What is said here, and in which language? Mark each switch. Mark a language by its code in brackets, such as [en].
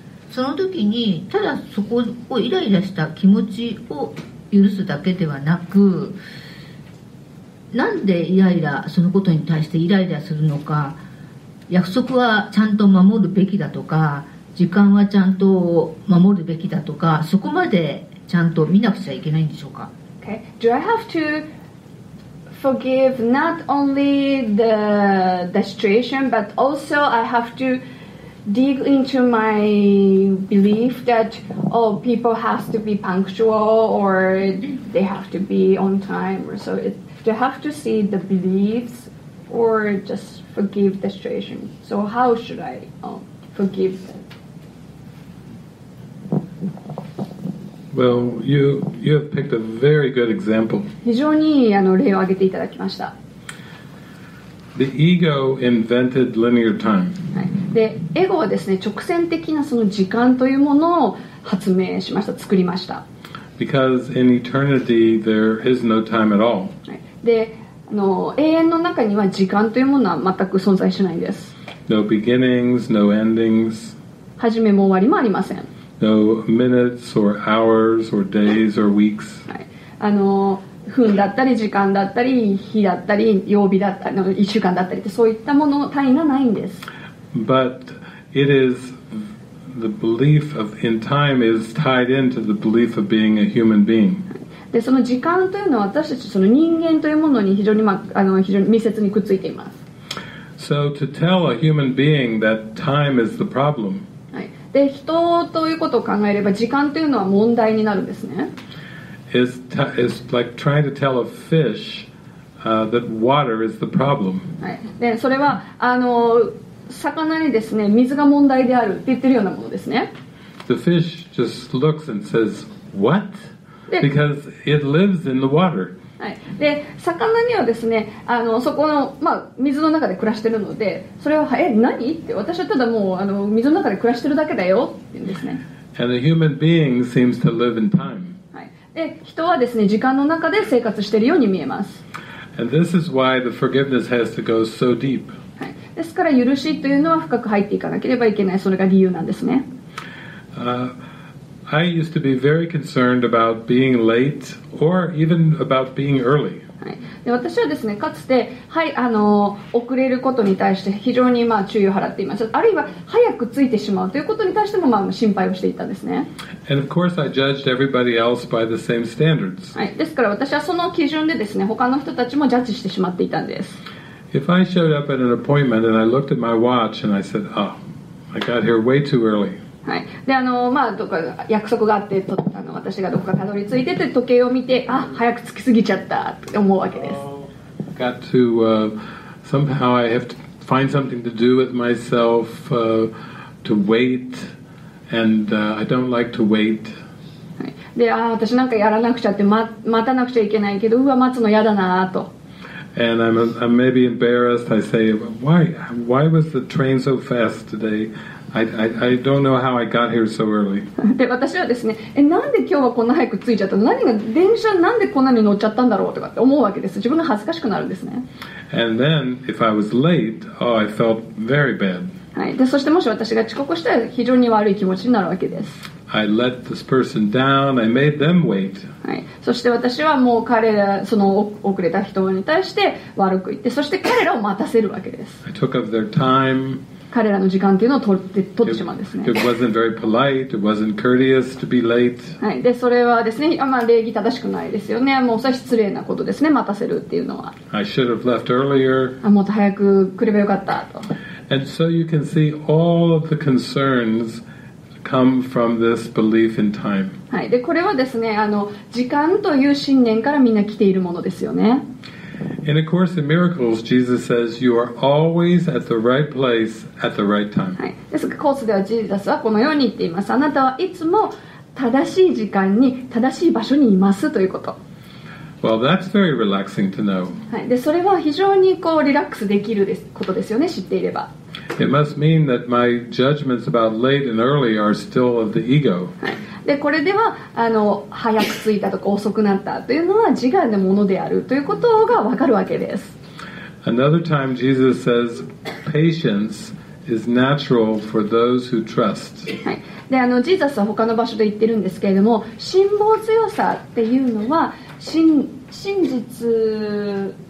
[ja] その時にただそこをイライラした気持ちを許すだけではなく、なんでイライラ、そのことに対してイライラするのか、約束はちゃんと守るべきだとか、時間はちゃんと守るべきだとか、そこまでちゃんと見なくちゃいけないんでしょうか。 [en] Okay. Do I have toForgive not only the situation, but also I have to dig into my belief that all people have to be punctual or they have to be on time. Or so do you have to see the beliefs or just forgive the situation? So how should I forgive them? Well, you have picked a very good example. [ja] 非常に例を挙げていただきました。 [en] The ego invented linear time. [ja] で、エゴはですね、直線的なその時間というものを発明しました、作りました。 [en] Because in eternity there is no time at all. [ja] で、永遠の中には時間というものは全く存在しないんです。 [en] No beginnings, no endings. [ja] 始めも終わりもありません。 [en] No minutes or hours or days or weeks. [ja] 分だったり時間だったり日だったり曜日だったり一週間だったりってそういったもの単位がないんです。 [en] But it is the belief of in time is tied into the belief of being a human being. [ja] でその時間というのは私たちその人間というものに非常に非常に密接にくっついています。 [en] So to tell a human being that time is the problem. [ja] で人ということを考えれば時間というのは問題になるんですね。 [en] It's like trying to tell a fish that water is the problem. [ja] はい。でそれは魚にですね水が問題であるって言ってるようなものですね。 [en] The fish just looks and says, "What?" Because it lives in the water. [ja] はい、で魚にはですねそこの、水の中で暮らしてるのでそれは何って私はただもう水の中で暮らしてるだけだよって言うんですね。 [en] And a human being seems to live in time.、 [ja] はい、で人はですね時間の中で生活してるように見えます。 [en] And this is why the forgiveness has to go so deep.、 [ja] はい、ですから許しというのは深く入っていかなければいけない、それが理由なんですね。 [en] I used to be very concerned about being late or even about being early. [ja] はい。で、私はですね、かつて、はい、遅れることに対して非常に注意を払っていました。あるいは早く着いてしまうということに対しても心配をしていたんですね。 [en] And of course I judged everybody else by the same standards. [ja] はい。ですから私はその基準でですね、他の人たちもジャッジしてしまっていたんです。 [en] If I showed up at an appointment and I looked at my watch and I said, "Oh, I got here way too early." [ja] はい、でどこか約束があって私がどこかたどり着いてて時計を見て、あ、早く着きすぎちゃったって思うわけです。 [en] got to, somehow I have to find something to do with myself, to wait, and, I don't like to wait.、 [ja] はい、で私なんかやらなくちゃって、待たなくちゃいけないけど、うわ待つの嫌だなと。 [en] And I'm maybe embarrassed. I say, why was the train so fast today? I don't know how I got here so early. [ja] で私はですね、なんで今日はこんな早く着いちゃったの？何が電車なんでこんなに乗っちゃったんだろうとかって思うわけです。自分が恥ずかしくなるんですね。 [en] And then if I was late, oh, I felt very bad. [ja] はい。でそしてもし私が遅刻したら非常に悪い気持ちになるわけです。 [en] I let this person down. I made them wait. [ja] はい。そして私はもう彼らその遅れた人に対して悪く言って、そして彼らを待たせるわけです。 [en] I took up their time. [ja] 彼らの時間というのを取ってしまうんですね。 [en] It wasn't very polite. It wasn't courteous to be late. [ja] はい。で、それはですね、まあ礼儀正しくないですよね。もうさ失礼なことですね。待たせるっていうのは。 [en] I should have left earlier. [ja] あ、もっと早く来ればよかったと。 [en] And so you can see all of the concerns. Come from this belief in time. [ja] はい、でこれはですね、あの時間という信念からみんな来ているものですよね。 [en] In A Course in Miracles, Jesus says, "You are always at the right place at the right time." [ja] はい、ですがコースではジーザスはこのように言っています。あなたはいつも正しい時間に正しい場所にいますということ。 [en] Well, that's very relaxing to know. [ja] はい、でそれは非常にこうリラックスできることですよね、知っていれば。 [en] It must mean that my judgments about late and early are still of the ego. [ja] で、これでは、あの、早く着いたとか遅くなったというのは自我のものであるということがわかるわけです。 [en] Another time Jesus says, patience is natural for those who trust. [ja] で、あの、ジーザスは他の場所で言ってるんですけれども、辛抱強さっていうのは、真実、